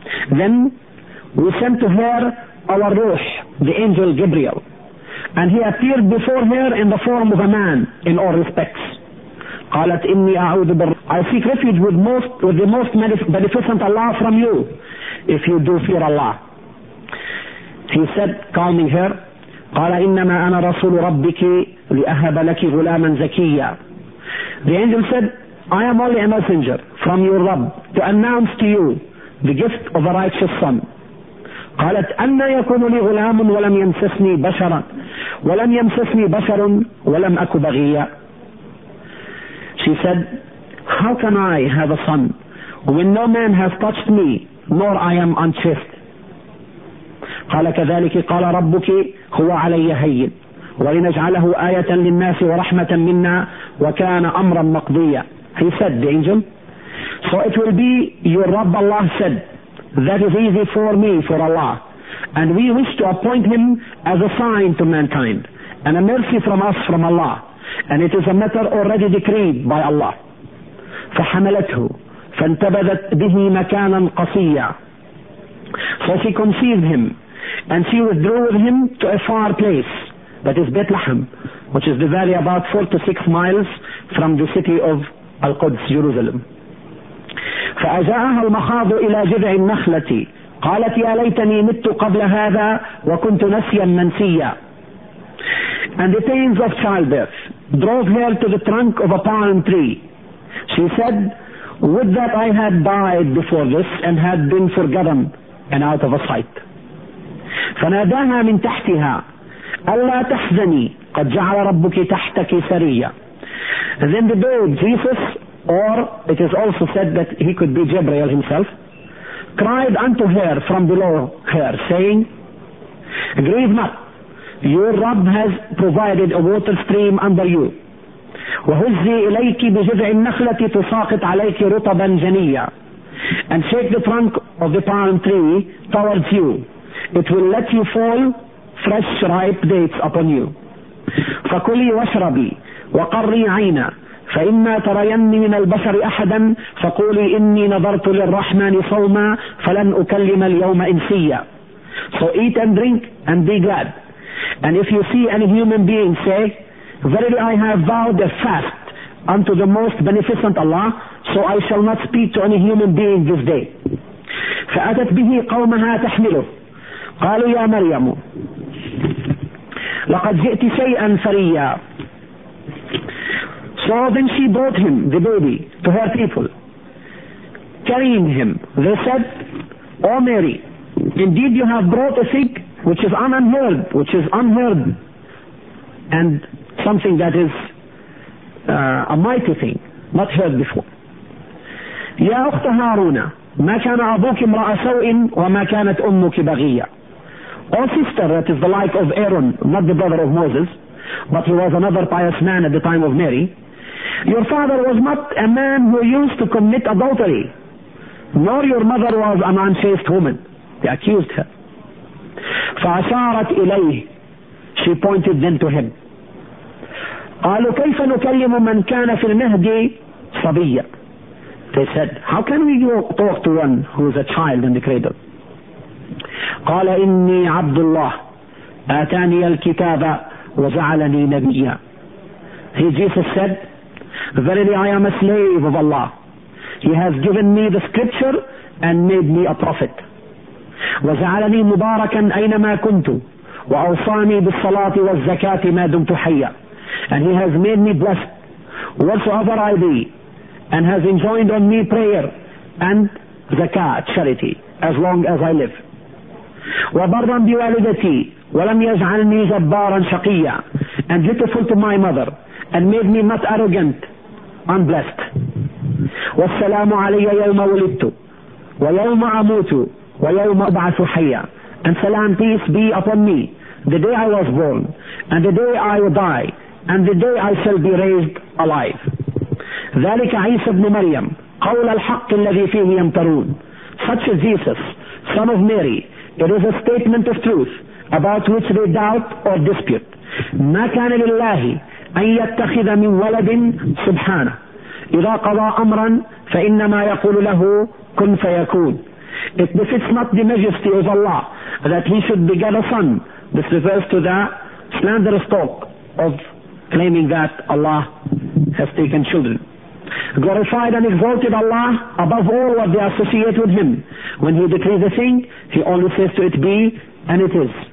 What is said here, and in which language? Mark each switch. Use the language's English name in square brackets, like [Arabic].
[English] Then we sent to her our Ruh, the angel Gabriel, and he appeared before her in the form of a man in all respects. [Arabic] قالت إني أعوذ بالله. [English] I seek refuge with the most beneficent Allah from you, if you do fear Allah. He said, calming her, [Arabic] قال إنما أنا رسول ربك لأهب لك غلاما زكيا. [English] The angel said, I am only a messenger from your Rabb to announce to you the gift of a righteous son. [Arabic] قالت أنا يكون لي غلام ولم يمسسني بشرا ولم يمسسني بشر ولم أك بغيا. [English] She said, how can I have a son when no man has touched me, nor I am unchaste? [Arabic] قال كذلك قال ربك هو علي هين ولنجعله آية للناس ورحمة منا وكان أمرا مقضيا. [English] He said, the angel, so it will be your Rabb Allah said, that is easy for me, for Allah, and we wish to appoint him as a sign to mankind and a mercy from us, from Allah. And it is a matter already decreed by Allah. [Arabic] فحملته فانتبذت به مكانا قصيا. [English] So she conceived him, and she withdrew with him to a far place, that is Bethlehem, which is the valley about 4 to 6 miles from the city of Al-Quds, Jerusalem. [Arabic] فأجاءها المخاض إلى جذع النخلة قالت يا ليتني مت قبل هذا وكنت نسيا منسيا. [English] And the pains of childbirth drove her to the trunk of a palm tree. She said, would that I had died before this and had been forgotten and out of a sight. [Arabic] فناداها من تحتها ألا تحزني قد جعل ربك تحتك سريا. [English] Then the bird Jesus, or it is also said that he could be Jibreel himself, cried unto her from below her, saying, grieve not, your Rabb has provided a water stream under you. [Arabic] وهزي إليك بجذع النخلة تساقط عليك رطبا جنيا. [English] And shake the trunk of the palm tree towards you. It will let you fall fresh ripe dates upon you. [Arabic] فكلي واشربي وقري عينا فإما تريني من البشر أحدا فقولي إني نظرت للرحمن صوما فلن أكلم اليوم إنسيا. [English] So eat and drink and be glad. And if you see any human being, say, verily I have vowed a fast unto the most beneficent Allah, so I shall not speak to any human being this day. [Arabic] فأتت به قومها تحمله قالوا يا مريم لقد جئت شيئا فريا. [English] So then she brought him, the baby, to her people, carrying him. They said, O Mary, indeed you have brought a thing which is unheard, and something that is a mighty thing, not heard before. [Arabic] يا أخت هارون ما كان أبوك امرأ سوء وما كانت أمك بغية. [English] O sister, that is the like of Aaron, not the brother of Moses, but he was another pious man at the time of Mary. Your father was not a man who used to commit adultery, nor your mother was an unchaste woman. They accused her. [Arabic] فأشارت إليه. [English] She pointed then to him. [Arabic] قالوا كيف نكلم من كان في المهدي صبيا. [English] They said, how can we talk to one who is a child in the cradle? [Arabic] قال إني عبد الله آتاني الكتاب وجعلني نبيا. [English] He, Jesus, said, verily I am a slave of Allah. He has given me the scripture and made me a prophet. [Arabic] وجعلني مباركا أينما كنت وأوصاني بالصلاة والزكاة ما دمت حيا. [English] And he has made me blessed whatsoever I be, and has enjoined on me prayer and zakat, charity, as long as I live. [Arabic] وَبَرًّا بِوَالِدَتِي وَلَمْ يَجْعَلْنِي جَبَّارًا شَقِيًّا. [English] And dutiful to my mother, and made me not arrogant, unblessed. [Arabic] وَالسَّلَامُ عَلَيَّ يَوْمَ وُلِدْتُ وَيَوْمَ أَمُوتُ وَيَوْمَ أُبْعَثُ حَيًّا. [English] And salam, peace be upon me, the day I was born, and the day I will die, and the day I shall be raised alive. [Arabic] ذلك عيسى بن مريم قول الحق الذي فيه يمترون. [English] Such is Jesus, son of Mary. It is a statement of truth about which they doubt or dispute. [Arabic] ما كان لله أن يتخذ من ولد سبحانه إذا قضى أمرا فإنما يقول له كن فيكون. [English] It befits not the majesty of Allah that he should beget a son. This refers to the slanderous talk of claiming that Allah has taken children. Glorified and exalted Allah above all what they associate with him. When he decrees a thing, he always says to it be, and it is.